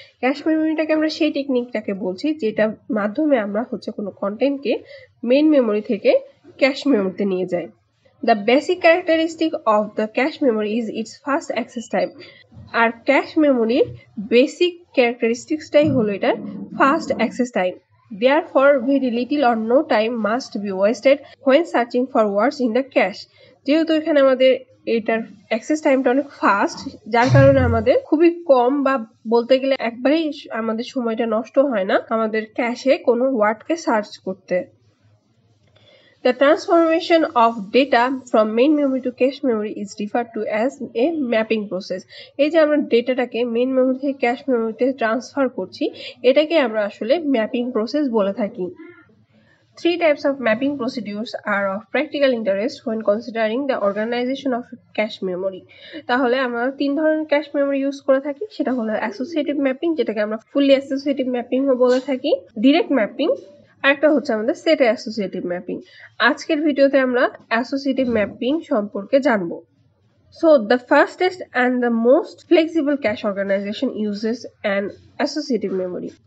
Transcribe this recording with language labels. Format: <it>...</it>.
<bn>Cash মেমোরিটাকে আমরা সেই টেকনিকটাকে বলছি যেটা মাধ্যমে আমরা হচ্ছে কোনো কন্টেন্টকে মেইন মেমোরি থেকে ক্যাশ মেমোরিতে নিয়ে যাই।</bn> <en>The basic characteristic of the cache memory is its fast access time.</en> <bn>আর cash মেমোরির বেসিক ক্যারেক্টারিস্টিক্সটাই হলো এটার fast access time.</bn> <en>Therefore, very little or no time must be wasted when searching for words in the cache.</en> <bn>যেহেতু এখানে আমাদের এটার access টাইমটা অনেক fast, যার কারণে আমাদের খুবই কম বা বলতে গেলে একবারেই আমাদের সময়টা নষ্ট হয় না আমাদের ক্যাশে কোনো ওয়ার্ডকে সার্চ করতে।</bn> <en>The transformation of data from main memory to cache memory is referred to as a mapping process.</en> <bn>এই যে আমরা ডেটাটাকে মেইন মেমোরি থেকে ক্যাশ মেমোরিতে ট্রান্সফার করছি, এটাকে আমরা আসলে ম্যাপিং প্রসেস বলে থাকি।</bn> <en>Three types of mapping procedures are of practical interest when considering the organization of cache memory.</en> <bn>তাহলে আমরা তিন ধরনের ক্যাশ মেমোরি ইউজ করে থাকি, সেটা হলো অ্যাসোসিয়েটিভ ম্যাপিং, যেটাকে আমরা ফুললি অ্যাসোসিয়েটিভ ম্যাপিংও বলে থাকি, ডিরেক্ট ম্যাপিং, আর একটা হচ্ছে আমাদের সেট অ্যাসোসিয়েটিভ ম্যাপিং। আজকের ভিডিওতে আমরা অ্যাসোসিয়েটিভ ম্যাপিং সম্পর্কে জানব।</bn> <en>So the fastest and the most flexible cache organisation uses and associative memory.</en>